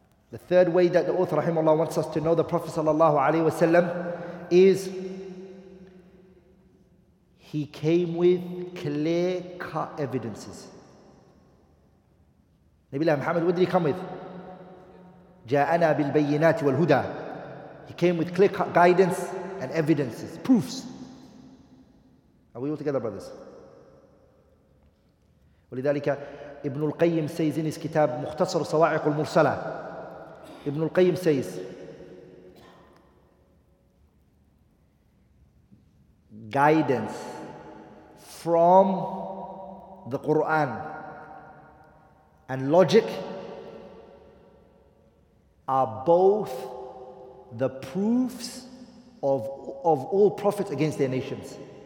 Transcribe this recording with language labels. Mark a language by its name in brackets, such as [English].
[English] The third way that the author rahimahullah wants us to know the Prophet sallallahu alayhi wa sallam is he came with clear cut evidences. Nabila Muhammad, what did he come with? [Arabic] Ja'ana bil bayyinati wal huda. [English] He came with clear cut guidance and evidences, proofs. Are we all together, brothers? [Arabic] ولذلك ابن القيم [English] says in his kitab [Arabic] مختصر صواعق المرسلة. [English] Ibn al-Qayyim says, guidance from the Qur'an and logic are both the proofs of all prophets against their nations.